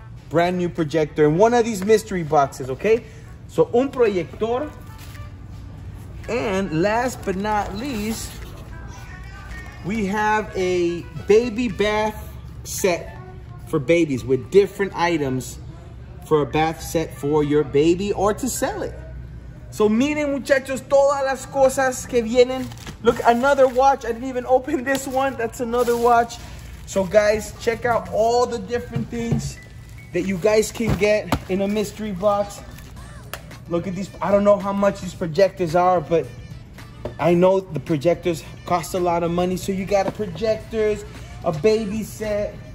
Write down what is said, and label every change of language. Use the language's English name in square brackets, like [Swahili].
[English] Brand new projector in one of these mystery boxes, okay? So, [Spanish] un proyector. [English] And last but not least, we have a baby bath set for babies with different items for a bath set for your baby or to sell it. [Spanish] So, miren, muchachos, todas las cosas que vienen. [English] Look, another watch. I didn't even open this one. That's another watch. So, guys, check out all the different things that you guys can get in a mystery box. Look at these. I don't know how much these projectors are, but I know the projectors cost a lot of money. So, you got a projectors, a baby set.